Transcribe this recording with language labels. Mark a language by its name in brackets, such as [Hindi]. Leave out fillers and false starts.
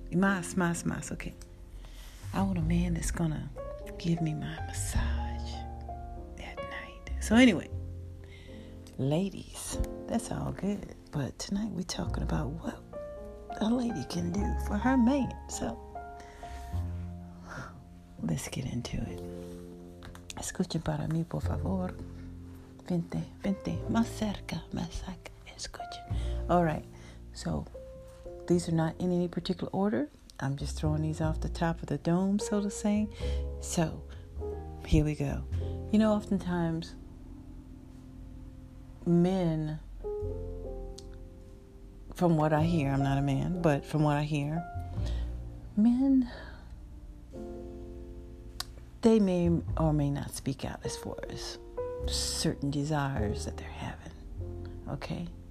[English] Mas, okay. I want a man that's going to give me my massage at night. So anyway, ladies, that's all good. But tonight we're talking about what a lady can do for her man. So let's get into it. [Spanish] Escuche para mí, por favor. Vente. Más cerca. Escuche. [English] All right. So, these are not in any particular order. I'm just throwing these off the top of the dome, so to say. So, here we go. You know, oftentimes, men, from what I hear, I'm not a man, but from what I hear, men, they may or may not speak out as far as certain desires that they're having, okay?